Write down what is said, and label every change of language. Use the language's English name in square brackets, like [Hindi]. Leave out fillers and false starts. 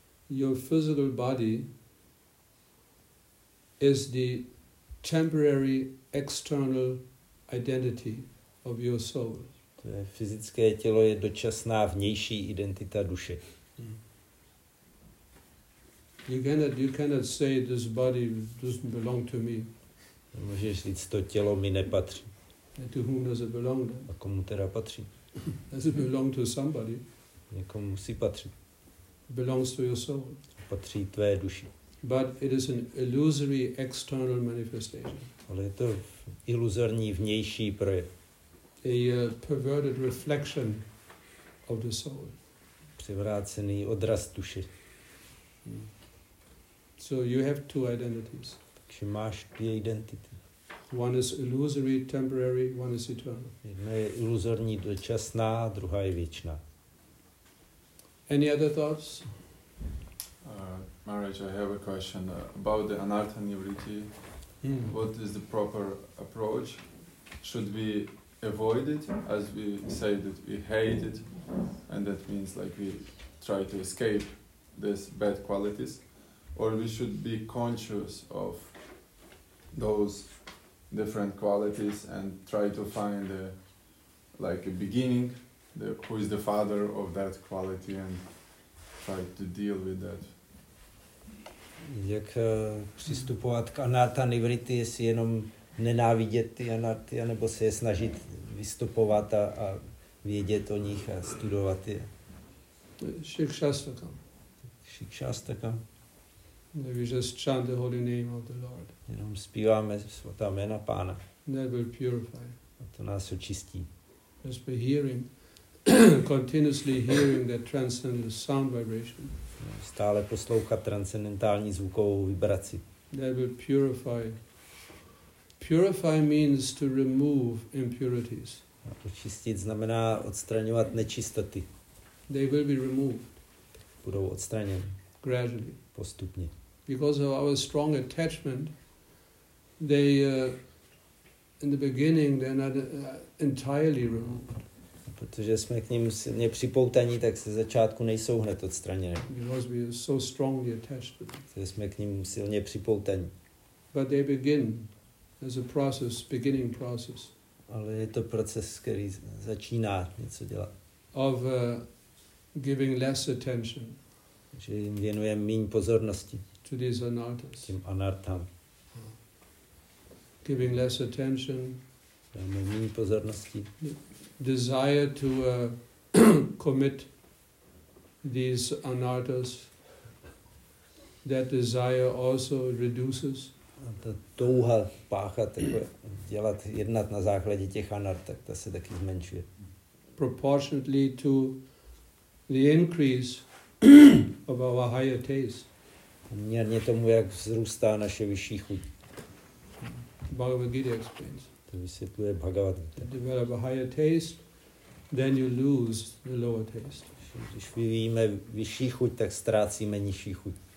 [English] Your physical body is the temporary external identity of your soul. [Czech] Tvé fyzické tělo je dočasná vnější identita duše. [English] You cannot say this body doesn't belong to me. [Czech] Nemůžeš říct, to tělo mi nepatří. [English] And to whom does it belong then? [Czech] A komu teda patří? [English] Does it belong to somebody? [Czech] Někomu musí patřit. [English] It belongs to your soul. [Czech] Patří tvé duši. [English] But it is an illusory external manifestation. [Czech] Ale je to iluzorní vnější projev. [English] A perverted reflection of the soul. [Czech] Převrácený odraz duše. [English] So you have two identities. [Czech] Takže máš dvě identity. [English] One is illusory, temporary, one is eternal. [Czech] Jedna je iluzorní, dočasná, druhá je věčná. [English] Any other thoughts? Maharaj, I have a question about the anartha nivritti. What is the proper approach? Should we avoid it, as we say that we hate it, and that means like we try to escape these bad qualities, or we should be conscious of those different qualities and try to find a, like a beginning, the, who is the father of that quality and try to deal with that. [Czech] Jak přistupovat k anatta nivritti, jestli jenom nenávidět ty anatty, anebo se je snažit vystupovat a vědět o nich a studovat je. [Sanskrit] Shikshastakam. Shikshastakam. [English] We just chant the holy name of the Lord. [Czech] Jenom zpíváme svatá jména Pána. [English] That will purify. [Czech] A to nás očistí. [English] Just by hearing, continuously hearing that transcendental sound vibration. [Czech] Stále poslouchat transcendentální zvukovou vibraci. [English] That will purify. Purify means to remove impurities. [Czech] Očistit znamená odstraňovat nečistoty. [English] They will be removed. [Czech] Budou odstraněny. [English] Gradually. [Czech] Postupně. [English] Because of our strong attachment, they in the beginning they're not entirely removed. [Czech] Protože jsme k ním silně připoutaní, tak se začátku nejsou hned odstraněny. [English] Because we are so strongly attached to them. [Czech] Protože jsme k ním silně připoutaní. [English] But they begin as a process, beginning process. [Czech] Ale je to proces, který začíná něco dělat. [English] Of giving less attention. [Czech] Že jim věnujeme míň pozornosti. [English] To these anarthas. [Czech] Tím anarthám. [English] Giving less attention. [Czech] Dáme míň pozornosti. [English] Desire to commit these anarthas, that desire also reduces. [Czech] A ta touha páchat, dělat, jednat na základě těch anarth, tak ta se taky zmenšuje. [English] Proportionately to the increase of our higher taste. [Czech] Poměrně tomu, jak vzrůstá naše vyšší chuť. [English] Bhagavad Gita explains. [Czech] To vysvětluje Bhagavad Gita. [English] Develop a higher taste. Then you lose the lower taste. [Czech] Když vyvíjíme vyšší chuť, tak ztrácíme nižší chuť.